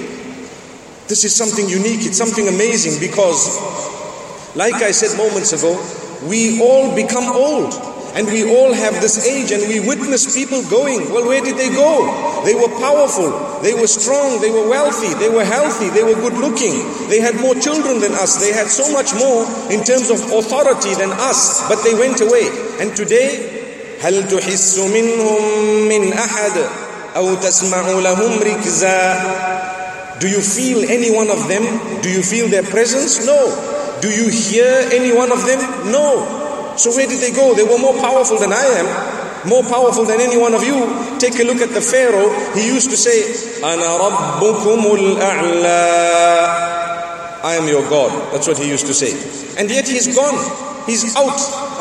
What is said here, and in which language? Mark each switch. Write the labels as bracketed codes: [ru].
[en] This is something unique, it's something amazing, because like I said moments ago, we all become old. And we all have this age, and we witness people going, well, where did they go? They were powerful, they were strong, they were wealthy, they were healthy, they were good looking. They had more children than us, they had so much more in terms of authority than us, but they went away. And today, [ar] هَلْ تُحِسُّ مِنْهُمْ مِنْ أَحَدٍ أَوْ تَسْمَعُ لَهُمْ رِكْزًا. [en] Do you feel any one of them? Do you feel their presence? No. Do you hear any one of them? No. So where did they go? They were more powerful than I am, more powerful than any one of you. Take a look at the Pharaoh. He used to say, [ar] أَنَا رَبُّكُمُ الْأَعْلَىٰ. [en] I am your God. That's what he used to say. And yet he's gone. He's out.